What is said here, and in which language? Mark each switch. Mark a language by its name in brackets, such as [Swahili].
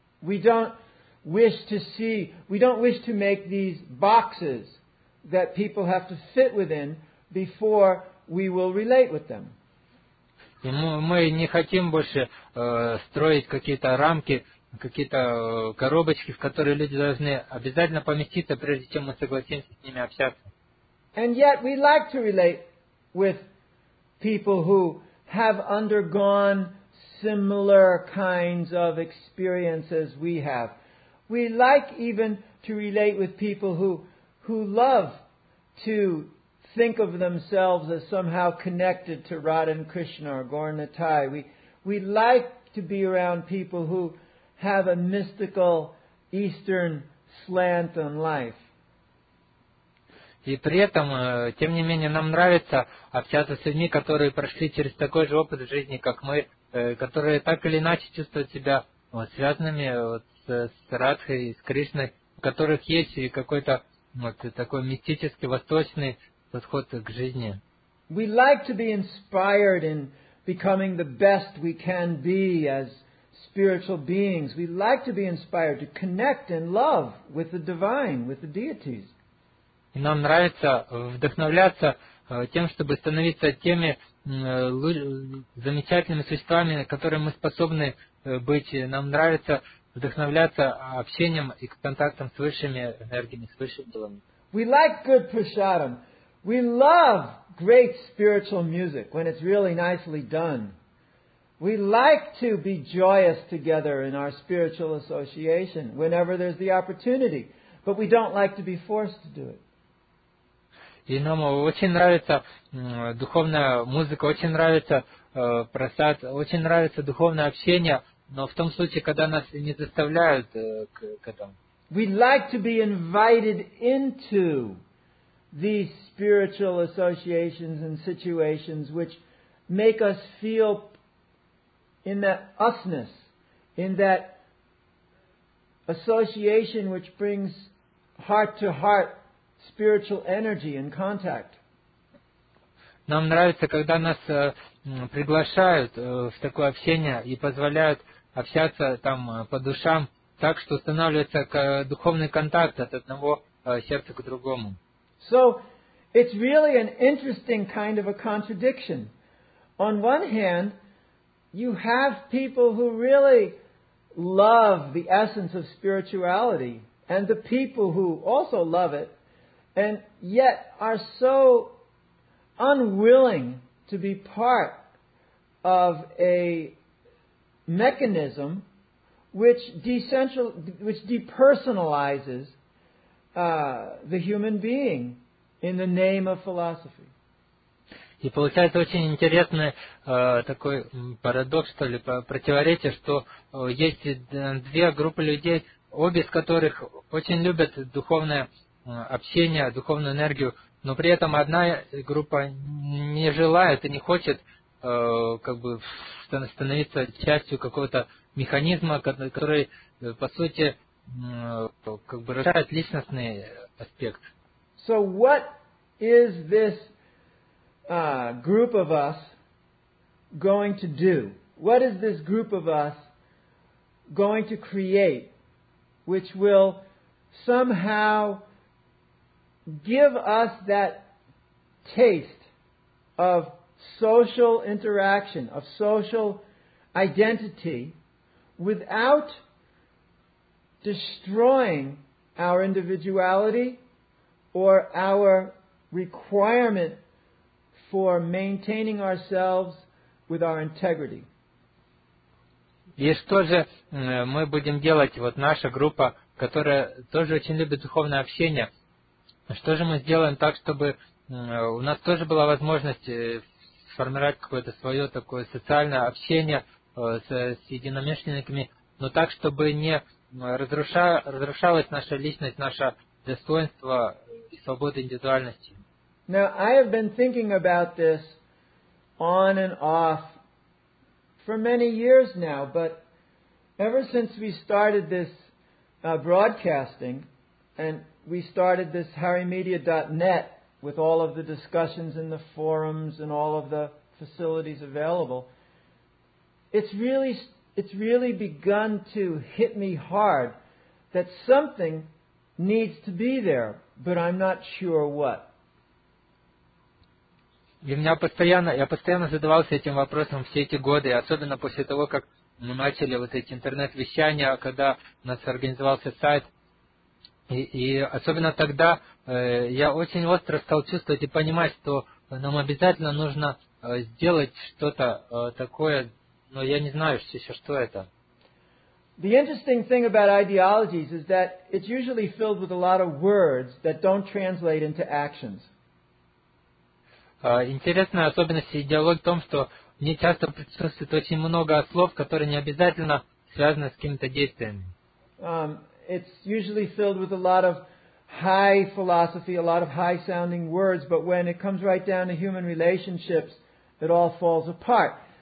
[English] We don't wish to make these boxes that people have to fit within before we will relate with them. [Russian] Мы не хотим больше строить какие-то рамки, какие-то коробочки, в которые люди должны обязательно поместиться, прежде чем мы согласимся с ними общаться. [English] And yet we like to relate with people who have undergone similar kinds of experiences we have. We like even to relate with people who love to think of themselves as somehow connected to Radha and Krishna or Gaur Nithai. We like to be around people who have a mystical Eastern slant on life. [Russian] И при этом, тем не менее, нам нравится общаться с людьми, которые прошли через такой же опыт в жизни, как мы, которые так или иначе чувствуют себя вот, связанными вот, с Радхой и с Кришной, у которых есть и какой-то вот, такой мистический восточный подход к жизни. [English] We like to be inspired in becoming the best we can be as spiritual beings. We like to be inspired to connect and love with the divine, with the deities. [Russian] И нам нравится вдохновляться тем, чтобы становиться теми замечательными существами, которые мы способны быть. Нам нравится вдохновляться общением и контактом с высшими энергиями, с высшими силами. [English] We like good prasadam. We love great spiritual music when it's really nicely done. We like to be joyous together in our spiritual association whenever there's the opportunity. But we don't like to be forced to do it. [Russian] И нам очень нравится духовная музыка, очень нравится просад, очень нравится духовное общение, но в том случае, когда нас не заставляют к этому. [English] We like to be invited into these spiritual associations and situations which make us feel in that usness, in that association which brings heart to heart spiritual energy and contact. [Russian] Нам нравится, когда нас приглашают в такое общение и позволяют общаться там по душам так, что устанавливается духовный контакт от одного сердца к другому. [English] So, it's really an interesting kind of a contradiction. On one hand, you have people who really love the essence of spirituality and the people who also love it, and yet are so unwilling to be part of a mechanism which depersonalizes the human being in the name of philosophy. [Russian] И получается очень интересный такой парадокс, что ли, противоречие, что есть две группы людей, обе из которых очень любят духовное общение, духовную энергию, но при этом одна группа не желает и не хочет как бы становиться частью какого-то механизма, который, по сути, как бы решает личностный аспект. [English] So what is this group of us going to do? What is this group of us going to create which will somehow give us that taste of social interaction, of social identity, without destroying our individuality or our requirement for maintaining ourselves with our integrity? [Russian] И что же мы будем делать, вот наша группа, которая тоже очень любит духовное общение, что же мы сделаем так, чтобы у нас тоже была возможность сформировать какое-то свое такое социальное общение с единомышленниками, но так, чтобы не разрушалась наша личность, наше достоинство и свобода индивидуальности? [English] Now, I have been thinking about this on and off for many years now, but ever since we started this broadcasting and we started this HariMedia.net with all of the discussions in the forums and all of the facilities available, it's really begun to hit me hard that something needs to be there, but I'm not sure what. [Russian] И меня постоянно, я постоянно задавался этим вопросом все эти годы, особенно после того, как мы начали вот эти интернет-вещания, когда у нас организовался сайт. И особенно тогда я очень остро стал чувствовать и понимать, что нам обязательно нужно сделать что-то такое, но я не знаю еще, что это. [English] The interesting thing about ideologies is that it's usually filled with a lot of words that don't translate into actions. [Russian] Интересная особенность идеологии в том, что в ней часто присутствует очень много слов, которые не обязательно связаны с какими-то действиями. [English] It's usually filled with a lot of high philosophy, a lot of high-sounding words, but when it comes right down to human relationships, it all falls apart.